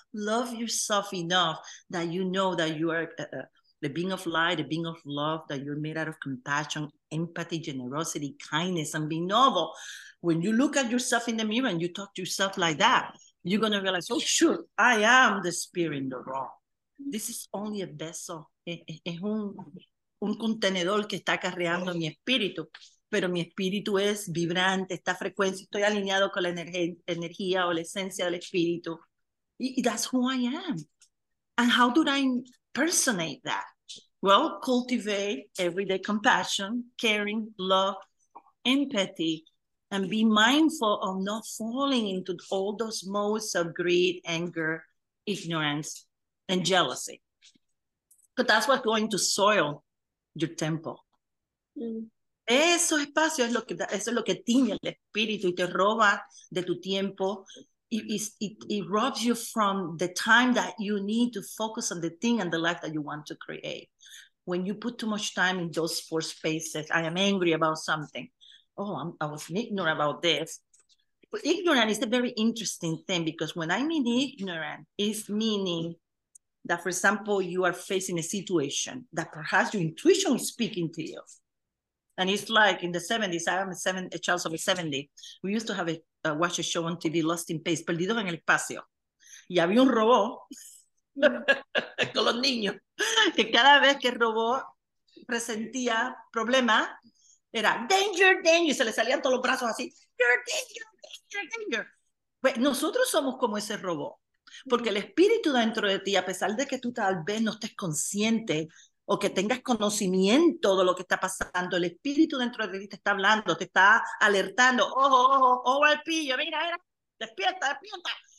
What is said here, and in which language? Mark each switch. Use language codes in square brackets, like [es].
[en] Love yourself enough that you know that you are the being of light, the being of love, that you're made out of compassion, empathy, generosity, kindness, and being noble. When you look at yourself in the mirror and you talk to yourself like that, you're going to realize, oh, sure, I am the spear in the rock. This is only a vessel. [es] Es un contenedor que está acarreando mi espíritu, pero mi espíritu es vibrante, está frecuencia, estoy alineado con la energía o la esencia del espíritu. [en] Y that's who I am. And how do I personate that? Well, cultivate everyday compassion, caring, love, empathy, and be mindful of not falling into all those modes of greed, anger, ignorance, and jealousy. But that's what's going to soil your temple. [es] Esos espacios es lo que, eso es lo que tiñe el espíritu y te roba de tu tiempo. [en] It robs you from the time that you need to focus on the thing and the life that you want to create. When you put too much time in those four spaces, I am angry about something. Oh, I was ignorant about this. But ignorant is a very interesting thing because when I mean ignorant, it's meaning that, for example, you are facing a situation that perhaps your intuition is speaking to you. And it's like in the 70s, I am a child of the 70s. We used to have a watch a show on TV, Lost in Space, Perdido en el Espacio. [es] Y había un robot con los niños, que cada vez que el robot presentía problemas, era [en] danger, danger, [es] se le salían todos los brazos así. [en] Danger, danger, danger. [es] Pues nosotros somos como ese robot, porque el espíritu dentro de ti, a pesar de que tú tal vez no estés consciente o que tengas conocimiento de lo que está pasando, el espíritu dentro de ti te está hablando, te está alertando, ojo, ojo, ojo al pillo, mira, mira, despierta, despierta.